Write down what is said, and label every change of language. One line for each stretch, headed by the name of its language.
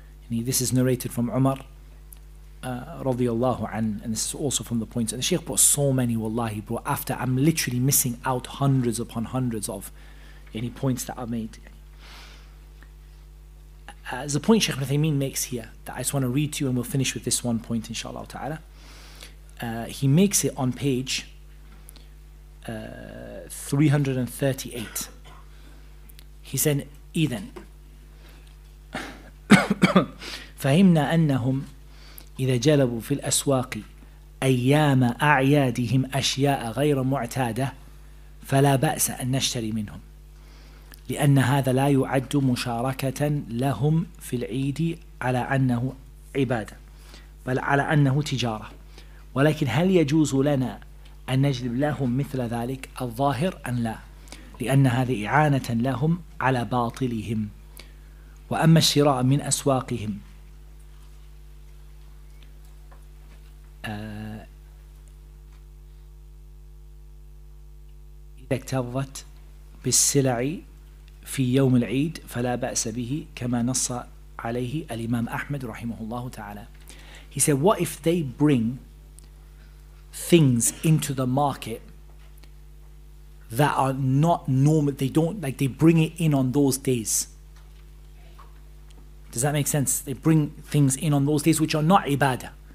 English: This is narrated from Umar radiallahu an, and this is also from the points. And the Shaykh brought so many, wallahi, brought after. I'm literally missing out hundreds upon hundreds of any points that are made. There's a point Shaykh Uthaymeen makes here that I just want to read to you, and we'll finish with this one point, inshallah ta'ala. He makes it on page 338. He said,
Arabic: فهمنا أنهم إذا جلبوا في الأسواق أيام أعيادهم أشياء غير معتادة فلا بأس أن نشتري منهم لأن هذا لا يعد مشاركة لهم في العيد على أنه عبادة بل على أنه تجارة ولكن هل يجوز لنا أن نجلب لهم مثل ذلك الظاهر أن لا لأن هذه إعانة لهم على باطلهم وأما الشراء من أسواقهم إذا اكتظت بالسلع في يوم العيد فلا بأس به كما نص عليه الإمام أحمد رحمه الله تعالى.
English: He said, what if they bring things into the market that are not normal, they don't, like, they bring it in on those days? Does that make sense? They bring things in on those days which are not ibadah.